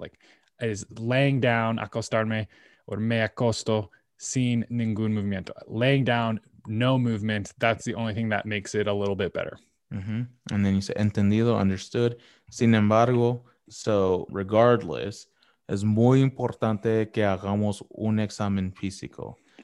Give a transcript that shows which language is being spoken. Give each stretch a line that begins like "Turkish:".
English: Like, is laying down,
Spanish: acostarme, or me acosto sin ningún movimiento.
English: Laying down, no movement. That's the only thing that makes it a little bit better. Mm-hmm. And then you say, entendido, understood.
Spanish: Sin embargo,
English: so regardless,
Spanish: es muy importante que hagamos un examen físico.